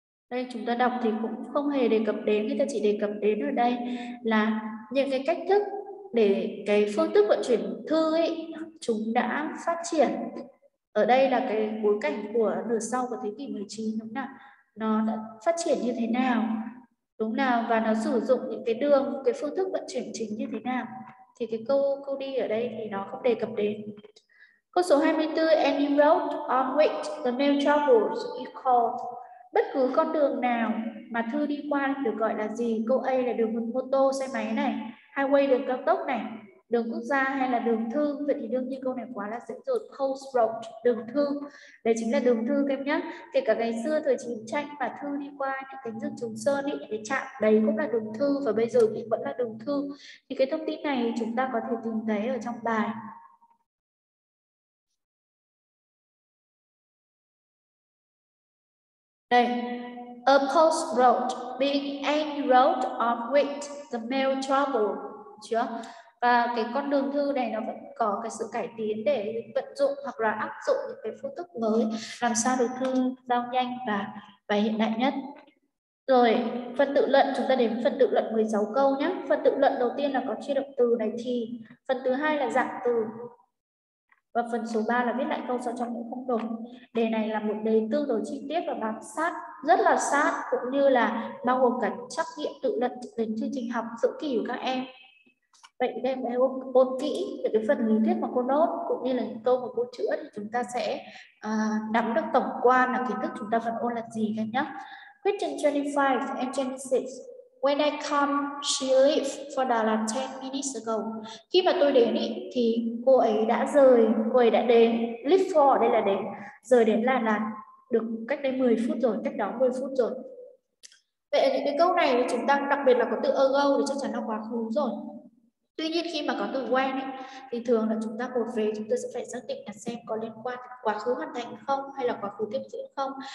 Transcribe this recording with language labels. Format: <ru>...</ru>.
<vi>Đây chúng ta đọc thì cũng không hề đề cập đến, người ta chỉ đề cập đến ở đây là những cái cách thức để cái phương thức vận chuyển thư ấy chúng đã phát triển. Ở đây là cái bối cảnh của nửa sau của thế kỷ 19 đúng không ạ? Nó đã phát triển như thế nào? Đúng nào? Và nó sử dụng những cái đường, cái phương thức vận chuyển chính như thế nào? Thì cái câu đi ở đây thì nó không đề cập đến. Câu số 24,</vi> <en>any road on which the mail travels is called.</en> <vi>Bất cứ con đường nào mà thư đi qua được gọi là gì? Câu A là đường mô tô, xe máy này, highway, đường cao tốc này, đường quốc gia hay là đường thư? Vậy thì đương nhiên câu này quá là dễ rồi. Post road, đường thư. Đấy chính là đường thư em nhé. Kể cả ngày xưa thời chiến tranh mà thư đi qua những cánh rừng Trường Sơn ý, cái trạm đấy cũng là đường thư và bây giờ thì vẫn là đường thư. Thì cái thông tin này chúng ta có thể tìm thấy ở trong bài.</vi> <en>Đây, a post road being any road on which the mail travel.</en> <vi>Chưa? Và cái con đường thư này nó vẫn có cái sự cải tiến để vận dụng hoặc là áp dụng những cái phương thức mới làm sao được thư giao nhanh và hiện đại nhất. Rồi, phần tự luận, chúng ta đến phần tự luận 16 câu nhé. Phần tự luận đầu tiên là có chia động từ này thì, phần thứ hai là dạng từ. Và phần số 3 là viết lại câu sao cho nó không đột. Đề này là một đề tương đối chi tiết và bám sát, rất là sát, cũng như là bao gồm cả trắc nghiệm tự luận đến chương trình học giữa kỳ của các em. Vậy các em hãy ôn kỹ những cái phần lý thuyết mà cô nốt cũng như là những câu mà cô chữa thì chúng ta sẽ nắm được tổng quan là kiến thức chúng ta phần ôn là gì các em nhé.</vi> <en>Question 25 and 26. When I come, she left for Dallas 10 minutes ago.</en> <vi>Khi mà tôi đến ý, thì cô ấy đã rời, cô ấy đã đến. Leave for đây là đến. Rời đến là được cách đây 10 phút rồi, cách đó 10 phút rồi. Vậy những cái câu này chúng ta đặc biệt là có từ ago thì chắc chắn là quá khứ rồi. Tuy nhiên khi mà có từ when ấy, thì thường là chúng ta một về chúng ta sẽ phải xác định là xem có liên quan quá khứ hoàn thành không hay là quá khứ tiếp diễn không.</vi>